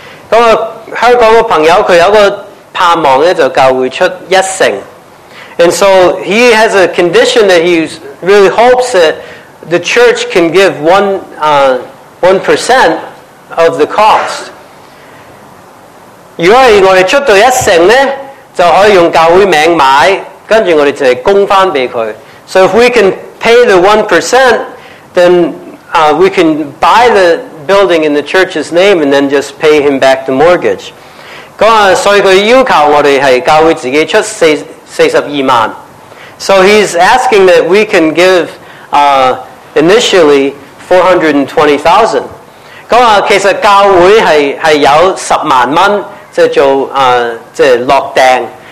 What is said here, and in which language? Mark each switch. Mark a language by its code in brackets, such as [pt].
[yue] 咁啊，香港個朋友佢有個盼望咧，就教會出10%。 [en] And so he has a condition that he really hopes that the church can give one percent of the cost。 [yue] 如果係我哋出到10%咧，就可以用教會名買，跟住我哋就係供翻俾佢。 [en] So if we canpay the 1%, then we can buy the building in the church's name and then just pay him back the mortgage. So he he's asking that we can give initially $420,000.